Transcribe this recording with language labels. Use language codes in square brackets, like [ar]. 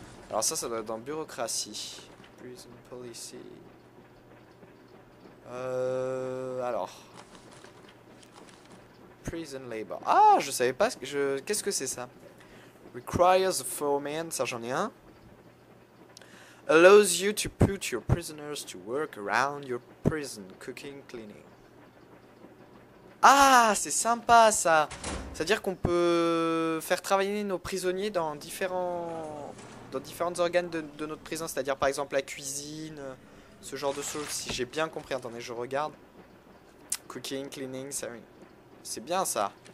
[fr] Alors ça doit être dans bureaucratie. [en] Prison policy. [fr] Alors. Prison labor. Ah, je savais pas ce que je. Qu'est-ce que c'est ça? [en] Requires a foreman, [fr] ça j'en ai un. [en] Allows you to put your prisoners to work around your prison, cooking, cleaning. [fr] Ah, c'est sympa ça. C'est-à-dire qu'on peut faire travailler nos prisonniers dans différents organes de notre prison, c'est-à-dire par exemple la cuisine, ce genre de choses, si j'ai bien compris. Attendez, je regarde. [en] Cooking, cleaning, [fr] ça, c'est bien ça.